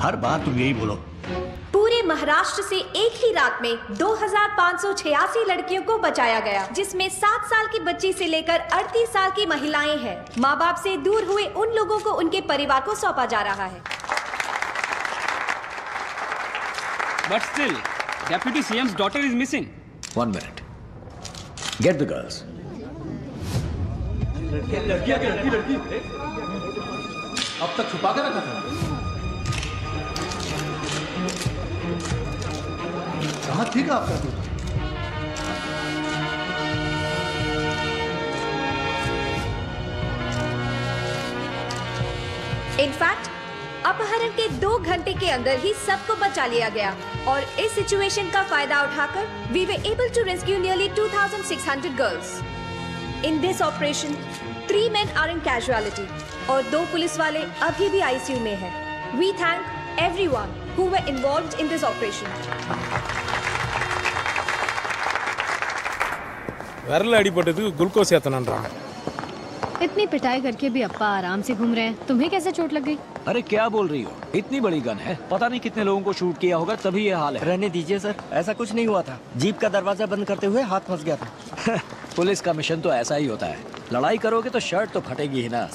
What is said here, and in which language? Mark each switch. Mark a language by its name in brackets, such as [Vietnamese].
[Hindi] हर बार तुम यही बोलो। पूरे महाराष्ट्र से एक ही रात में 2586 लड़कियों को बचाया गया, जिसमें 7 साल की बच्ची से लेकर 38 साल की महिलाएं हैं। माँ बाप से दूर हुए उन लोगों को उनके परिवार को सौंपा जा रहा है। [English] But still, Deputy CM's daughter is missing. One minute. Get the girls. [Hindi] अब तक छुपा कर रखा था। कहाँ थी का आपका दूध? [English] In fact, [Hindi] अपहरण के 2 घंटे के अंदर ही सबको बचा लिया गया और इस सिचुएशन का फायदा उठाकर [English] We were able to rescue nearly 2600 girls. In this operation 3 men are in casualty [Hindi] और 2 पुलिस वाले अभी भी आईसीयू में हैं। [English] We thank everyone who were involved in this operation. [Tamil] வரல அடிபட்டதுக்கு குளுக்கோஸ் ஏத்தனன்றாங்க. [Hindi] इतनी पिटाई करके भी अप्पा आराम से घूम रहे हैं, तुम्हें कैसे चोट लग गई? अरे क्या बोल रही हो, इतनी बड़ी गन है, पता नहीं कितने लोगों को शूट किया होगा तभी ये हाल है। रहने दीजिए सर, ऐसा कुछ नहीं हुआ था, जीप का दरवाजा बंद करते हुए हाथ फंस गया था। पुलिस का मिशन तो ऐसा ही होता है, लड़ाई करोगे तो शर्ट तो फटेगी ही ना।